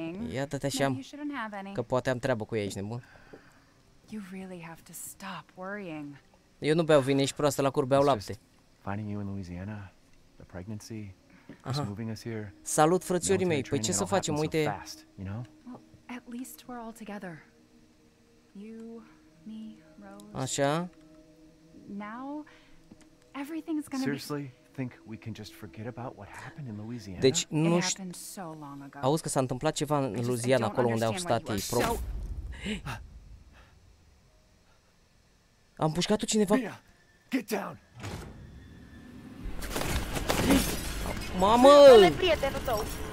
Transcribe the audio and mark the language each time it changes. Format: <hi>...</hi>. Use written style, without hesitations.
<ro>Ia, tăte așa, că poate am treabă cu ei, ești nebun.</ro> <en>You really have to stop worrying.</en> <ro>Eu nu beau vin, ești proastă la cur, beau lapte.</ro> <en>Finding you in Louisiana, the pregnancy, just moving us here.</en> <ro>Salut frățiorii mei. Păi ce să facem? Uite.</ro> <en>Well, at least we're all together. You, me, Rose.</en> <ro>Așa.</ro> <en>Now everything's going to be Seriously, think we can just forget about what happened in Louisiana?</en> <ro>Deci nu știu. Auzi că s-a întâmplat ceva în Louisiana, acolo unde au stat ei. Am pușcat-o cineva?</ro> <en>Mia, get down!</en> <ro>Mamă! Ole, prietenul tău!</ro>